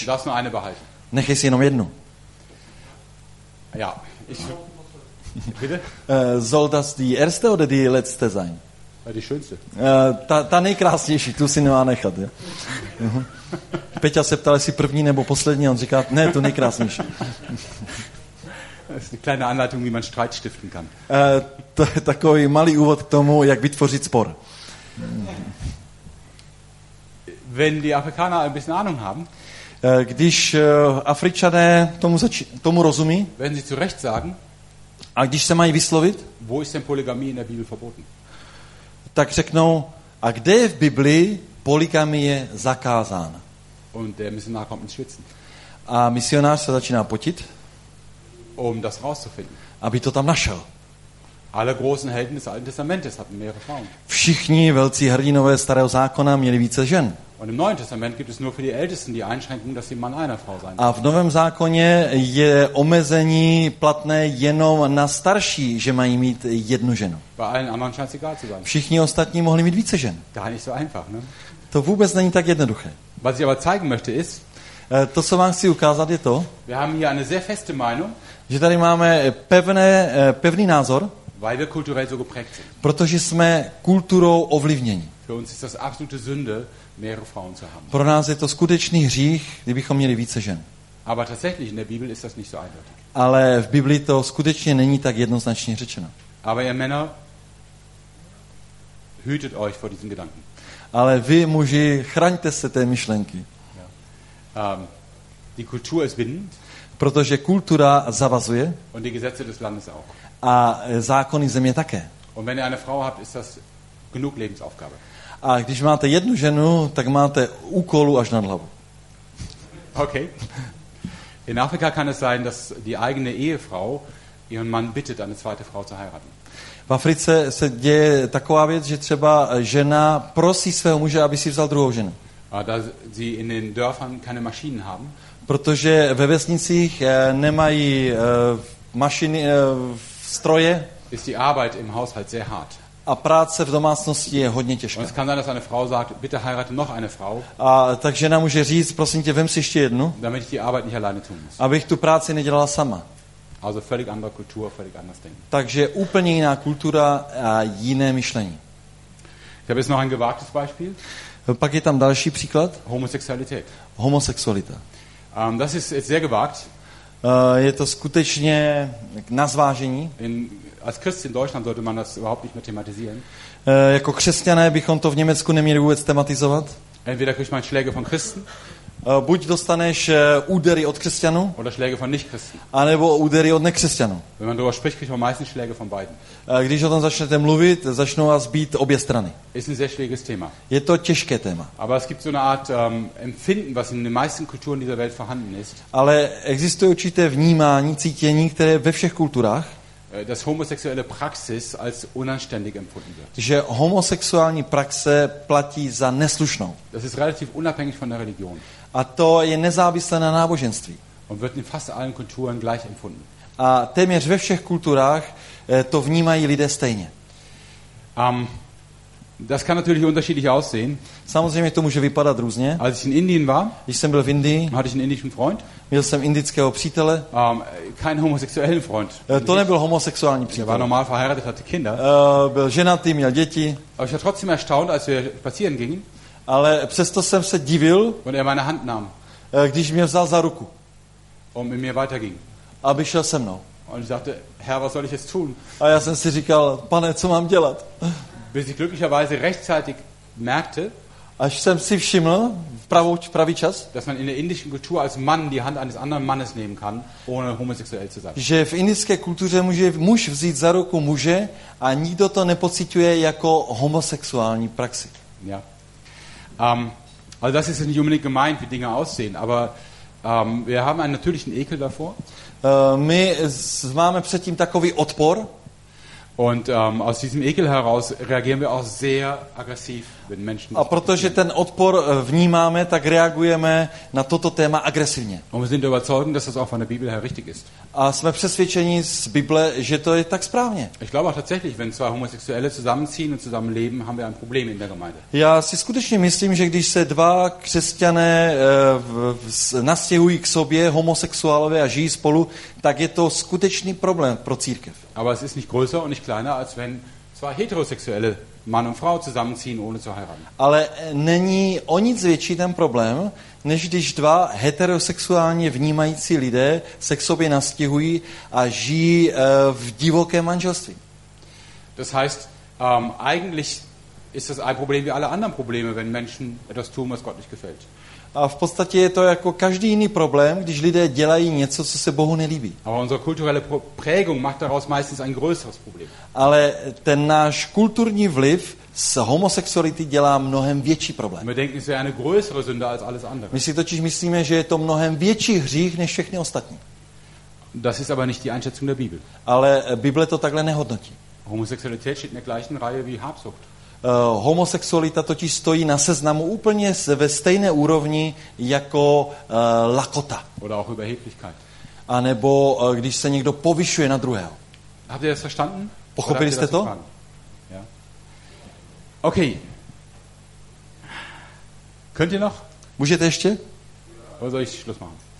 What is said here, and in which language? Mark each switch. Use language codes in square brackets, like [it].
[de] Du darfst nur eine behalten. [cs] Nechaj si jenom jednu. [de] Ja, ich... Bitte? Soll das die erste oder die letzte sein? Die schönste. [cs] Ta nejkrásnější, tu si nemá nechat. Je? Peťa se ptal, jestli první nebo poslední, on říká, ne, to nejkrásnější. [de] Das ist eine kleine Anleitung, wie man Streit stiften kann. [cs] To je takový malý úvod k tomu, jak vytvořit spor. [de] Wenn die Afrikaner ein bisschen Ahnung haben, [cs] když Afričané tomu rozumí, [de] wenn sie zu Recht sagen, [cs] a když se mají vyslovit, [de] wo ist denn Polygamie in der Bibel verboten? [cs] Tak řeknou, a kde je v Biblii polygamie zakázána? [de] Und der Missionar kommt ins Schwitzen. [cs] A misionář se začíná potit. [de] Um das rauszufinden. [cs] Aby to tam našel. [de] Alle großen Helden des Alten Testamentes hatten mehrere Frauen. [cs] Všichni velcí hrdinové starého zákona měli více žen. [de] Und im Neuen Testament gibt es nur für die Ältesten die Einschränkung, dass sie Mann einer Frau sein. [cs] A v Novém zákoně je omezení platné jenom na starší, že mají mít jednu ženu. [de] Bei allen anderen scheint es egal zu sein. [cs] Všichni ostatní mohli mít více žen. [de] Gar nicht so einfach, ne? [cs] To vůbec není tak jednoduché. [de] Was ich aber zeigen möchte ist, [cs] to, co vám chci ukázat, je to, [de] wir haben hier eine sehr feste Meinung, [cs] že tady máme pevný názor, [de] weil wir kulturell so geprägt sind. [cs] Protože jsme kulturou ovlivněni. [de] Für uns ist das absolute Sünde, mehrere Frauen zu haben. [cs] Pro nás je to skutečný hřích, kdybychom měli více žen. [de] Aber tatsächlich, in der Bibel ist das nicht so eindeutig. [cs] Ale v Biblii to skutečně není tak jednoznačně řečeno. [de] Aber ihr Männer, hütet euch vor diesen Gedanken. [cs] Ale vy, muži, chraňte se té myšlenky. [de] Ja. Die Kultur ist bindend. [cs] Protože kultura zavazuje. [de] Und die Gesetze des Landes auch. [cs] A zákony země také. [de] Und wenn ihr eine Frau habt, ist das genug Lebensaufgabe. [cs] A když máte jednu ženu, tak máte úkolu až nad hlavu. [en] Okay. [de] In Afrika kann es sein, dass die eigene Ehefrau ihren Mann bittet, eine zweite Frau zu heiraten. [cs] V Africe se děje taková věc, že třeba žena prosí svého muže, aby si vzal druhou ženu. [de] Da sie in den Dörfern keine Maschinen haben. [cs] Protože ve vesnicích nemají mašiny, stroje. [de] Ist die Arbeit im Haushalt sehr hart. [cs] A práce v domácnosti je hodně těžká. [de] Es kann sein, dass eine Frau sagt, bitte heirate noch eine Frau. [cs] A tak žena může říct, prosím tě, vem si ještě jednu. [de] Damit ich die Arbeit nicht alleine tun muss. [cs] Abych tu práci nedělala sama. [de] Also völlig andere Kultur, völlig anders denken. [cs] Takže úplně jiná kultura a jiné myšlení. [de] Ich habe jetzt noch ein gewagtes Beispiel. [cs] Pak je tam další příklad. [de] Homosexualität. [cs] Homosexualita. [de] Das ist jetzt sehr gewagt. [cs] Je to skutečně na zvážení. [de] Als Christ in Deutschland sollte man das überhaupt nicht mehr thematisieren. [cs] Jako křesťané bychom to v Německu neměli vůbec thematizovat. [de] Entweder kriegt man Schläge von Christen. [cs] Buď dostaneš údery od křesťanů. [de] Oder Schläge von Nichtchristen. [cs] A nebo údery od nekřesťanů. [de] Wenn man darüber spricht, kriegt man meistens Schläge von beiden. [cs] Když o tom začnete mluvit, začnou vás bít obě strany. [de] Ist ein sehr schwieriges Thema. [cs] Je to těžké téma. [de] Aber es gibt so eine Art Empfinden, was in den meisten Kulturen dieser Welt vorhanden ist. [cs] Ale existuje určité vnímání, cítění, které ve všech kulturách. [de] Dass homosexuelle Praxis als unanständig empfunden wird. [cs] Že homosexuální praxe platí za neslušnou. [de] Das ist relativ unabhängig von der Religion. [cs] A to je nezávislé na náboženství. [de] Und wird in fast allen Kulturen gleich empfunden. [cs] A téměř ve všech kulturách to vnímají lidé stejně. [de] Das kann natürlich unterschiedlich aussehen. [cs] Samozřejmě to může vypadat různě. [de] Als ich in Indien war, [cs] ich jsem byl v Indii, [de] hatte ich einen indischen Freund. [cs] Měl jsem indického přítele. [de] Kein homosexuellen Freund. [cs] To nebyl homosexuální přítel. [de] Er war normal verheiratet, hatte Kinder. [cs] Byl ženatý, měl děti. [de] Aber ich war trotzdem erstaunt, als wir spazieren gingen. [cs] Ale přesto jsem se divil. [de] Und er meine Hand nahm. [cs] Když mě vzal za ruku. [de] Und mit mir weiterging. [cs] Aby šel se mnou. [de] Und ich sagte, Herr, was soll ich jetzt tun? [cs] A já jsem si říkal, pane, co mám dělat? [de] Bis ich glücklicherweise rechtzeitig merkte, [cs] až jsem si všiml pravý čas, [de] dass man in der indischen Kultur als Mann die Hand eines anderen Mannes nehmen kann, ohne homosexuell zu sein. [cs] Že v indické kultuře může muž vzít za ruku muže a nikdo to nepociťuje jako homosexuální praxi. [de] Ja. Also das ist nicht unbedingt gemeint, wie Dinge aussehen, aber wir haben einen natürlichen Ekel davor. [cs] My máme předtím takový odpor. [de] Und aus diesem Ekel heraus reagieren wir auch sehr aggressiv, wenn Menschen. [cs] A protože ten odpor vnímáme, tak reagujeme na toto téma agresivně. [de] Und wir sind überzeugt, dass das auch von der Bibel her richtig ist. [cs] A jsme přesvědčeni z Bible, že to je tak správně. [de] Ich glaube auch tatsächlich, wenn zwei Homosexuelle zusammenziehen und zusammen leben, haben wir ein Problem in der Gemeinde. [cs] Já si skutečně myslím, že když se dva křesťané nastěhují k sobě homosexuálové a žijí spolu, tak je to skutečný problém pro církev. [de] Aber es ist nicht größer und nicht kleiner, als wenn zwei heterosexuelle Mann und Frau zusammenziehen, ohne zu heiraten. [cs] Ale není o nic větší ten problém, než když dva heterosexuálně vnímající lidé se k sobě nastěhují a žijí v divokém manželství. [de] Das heißt, eigentlich ist das ein Problem wie alle anderen Probleme, wenn Menschen etwas tun, was Gott nicht gefällt. [cs] A v podstatě je to jako každý jiný problém, když lidé dělají něco, co se Bohu nelíbí. [de] Aber unsere kulturelle Prägung macht daraus meistens ein größeres Problem. [cs] Ale ten náš kulturní vliv z homosexuality dělá mnohem větší problém. [de] Wir denken, es wäre eine größere Sünde als alles andere. [cs] My si totiž myslíme, že je to mnohem větší hřích než všechny ostatní. [de] Das ist aber nicht die Einschätzung der Bibel. [cs] Ale Bible to takhle nehodnotí. [de] Homosexualität steht in der gleichen Reihe wie Habsucht. [cs] Homosexualita totiž stojí na seznamu úplně ve stejné úrovni jako lakota. [de] Oder auch Überheblichkeit. [cs] A nebo když se někdo povyšuje na druhého. [de] Habt ihr das verstanden? [cs] Pochopili jste to? [de] Ja. Okay. Könnt ihr noch? [cs] Můžete ještě? [de] Oder soll ich Schluss machen?